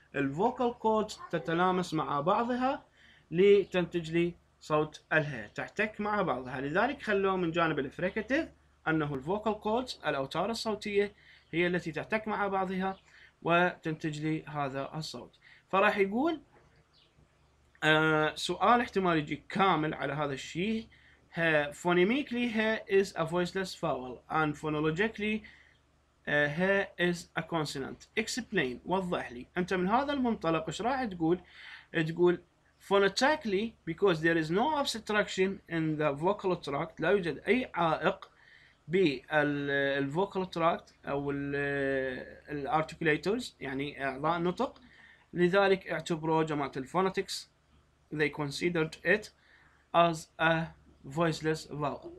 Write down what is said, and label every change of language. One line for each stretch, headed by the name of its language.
Arabic: الفوكال كوردز تتلامس مع بعضها لتنتج لي صوت الهاء، تحتك مع بعضها. لذلك خلوه من جانب الفريكاتيف انه الفوكال كوردز الاوتار الصوتيه هي التي تحتك مع بعضها وتنتج لي هذا الصوت. فراح يقول سؤال احتمال يجي كامل على هذا الشيء.
English: Phonemically her is a voiceless vowel and phonologically her is a consonant. Explain,
Arabic: وضح لي. أنت من هذا المنطلق إيش راح تقول؟ تقول
English: phonetically because there is no obstruction in the vocal tract.
Arabic: لا يوجد أي عائق بال vocal tract أو ال articulators يعني أعضاء النطق. لذلك اعتبروا جماعة الفونتكس
English: they considered it as a voiceless vowel.